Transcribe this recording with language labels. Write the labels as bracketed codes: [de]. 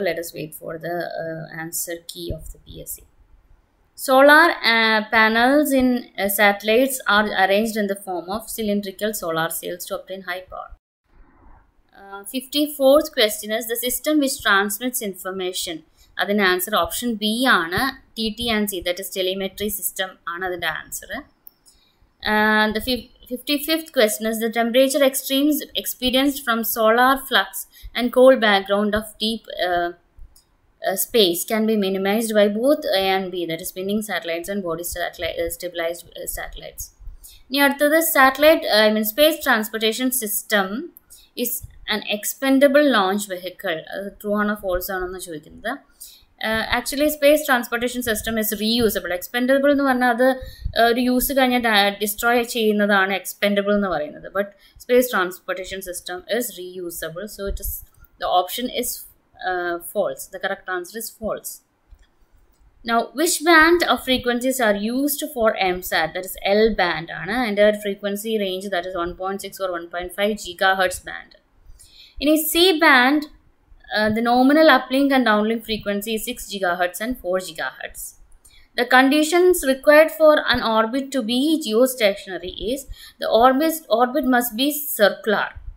[en] Let us wait for the answer key of the PSA. Solar panels in satellites are arranged in the form of cylindrical solar cells to obtain high power. 54th question is, the system which transmits information. [ml] അതിന് answer option B ആണ്. [en] T T and C, that is telemetry system [ml] ആണ് അതിൻ്റെ answer. [en] The 55th question is, the temperature extremes experienced from solar flux and cold background of deep space can be minimized by both A and B, that is spinning satellites and body stabilized satellites. [ml] ഇനി അടുത്തത്, [en] Satellite I mean space transportation system is an expendable launch vehicle. True or false [ml] ആണോ എന്ന് ചോദിക്കുന്നത്. [en] Actually space transportation system is reusable. [ml] Expendable എന്ന് പറഞ്ഞാൽ അത് ഒരു use കഴിഞ്ഞാൽ ഡിസ്ട്രോയ് ചെയ്യുന്നതാണ് എക്സ്പെൻഡബിൾ എന്ന് പറയുന്നത്. [en] But space transportation system is reusable. So it is the option is false. The correct answer is false. Now which band of frequencies are used for M SAT, that is L band ആണ്. [ml] അതിൻ്റെ ഒരു [en] Frequency range that is 1.6 or 1.5 GHz band. In a C band, the nominal uplink and downlink frequency is 6 GHz and 4 GHz. The conditions required for an orbit to be geostationary is, the orbit must be circular.